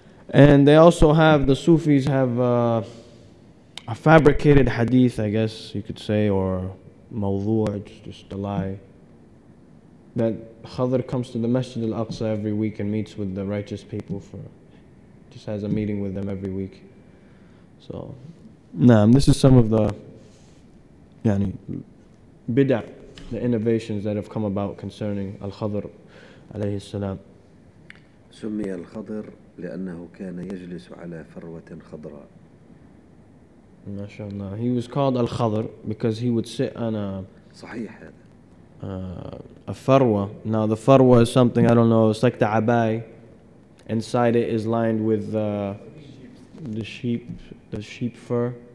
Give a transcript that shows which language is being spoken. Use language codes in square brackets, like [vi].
[en] And they also have, the Sufis have a fabricated hadith, I guess you could say, or mawdu', just a lie, that Khadr comes to the Masjid al-Aqsa every week and meets with the righteous people, just has a meeting with them every week. So, this is some of the bid'ah, the innovations that have come about concerning Al-Khadr alayhi salam. [ar] سمي الخضر لأنه كان يجلس على فروة خضراء. ما شاء الله. [en] He was called al-Khadr because he would sit on a. [ar] صحيح هذا. [en] A فروة. Now the فروة is something I don't know. It's like the عباي. Inside it is lined with the sheep fur.